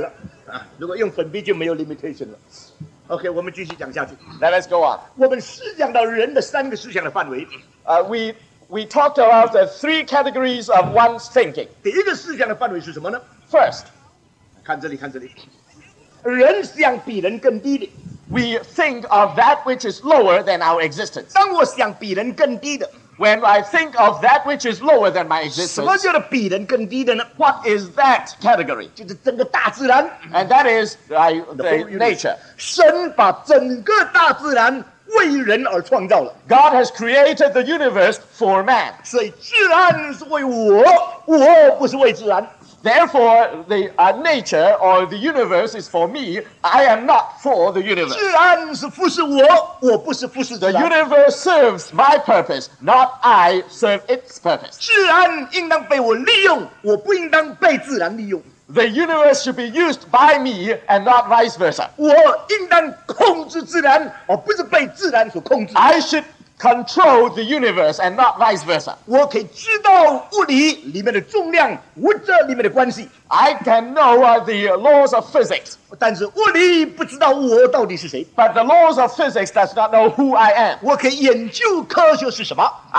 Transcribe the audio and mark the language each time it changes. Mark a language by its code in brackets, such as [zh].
[zh] 这是科学的有限，对不对呢？你马上看出来了。如果用粉笔就没有 limitation 了。OK， 我们继续讲下去。 [en] Let us go on. [zh] 我们思想到人的三个思想的范围。 [en] We talked about the three categories of one's thinking. [zh] 第一个思想的范围是什么呢 [en] ？First， [zh] 看这里，看这里。人想比人更低的, [en] we think of that which is lower than our existence. [zh] 当我想比人更低的, [en] when I think of that which is lower than my existence, [zh] 什么叫做比人更低的呢? [en] What is that category? [zh] 就是整个大自然, [en] and that is the nature. [zh] 神把整个大自然为人而创造了。 [en] God has created the universe for man. [zh] 所以自然是为我, 我不是为自然。 [en] Therefore, the nature or the universe is for me. I am not for the universe. [zh] 自然是服侍我，我不是服侍自然。 [en] The universe serves my purpose, not I serve its purpose. [zh] 自然应当被我利用，我不应当被自然利用。 [en] The universe should be used by me and not vice versa. [zh] 我应当控制自然，而不是被自然所控制。 [en] I should control the universe and not vice versa. [zh] 我可以知道物理里面的重量，物质里面的关系。 [en] I can know the laws of physics. [zh] 但是物理不知道我到底是谁。 [en] But the laws of physics does not know who I am. [zh] 我可以研究科学是什么。